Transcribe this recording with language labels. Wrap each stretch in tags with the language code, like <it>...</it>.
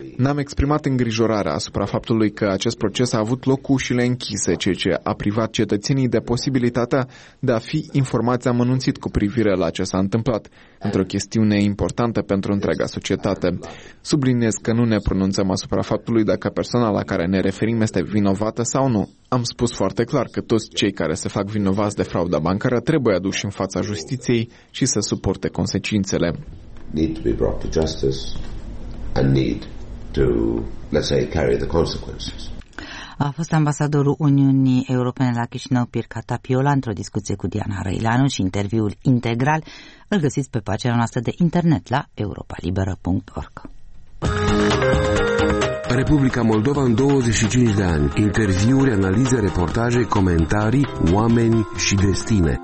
<ro>N-am exprimat îngrijorarea asupra faptului că acest proces a avut loc cu ușile închise, ceea ce a privat cetățenii de posibilitatea de a fi informați amănunțit cu privire la ce s-a întâmplat, într-o chestiune importantă pentru întreaga societate. Subliniez că nu ne pronunțăm asupra faptului dacă persoana la care ne referim este vinovată sau nu. Am spus foarte clar că toți cei care se fac vinovați de frauda bancară trebuie aduși în fața justiției și să suporte consecințele.</ro> <en>Need to be brought to justice and need to, let's say, carry the consequences.</en> <ro>A fost ambasadorul Uniunii Europene la Chișinău, Pirca Tapiola, într-o discuție cu Diana Răilanu și interviul integral îl găsiți pe pagina noastră de internet la europalibera.org. Republica Moldova în 25 de ani. Interviuri, analize, reportaje, comentarii, oameni și destine.</ro>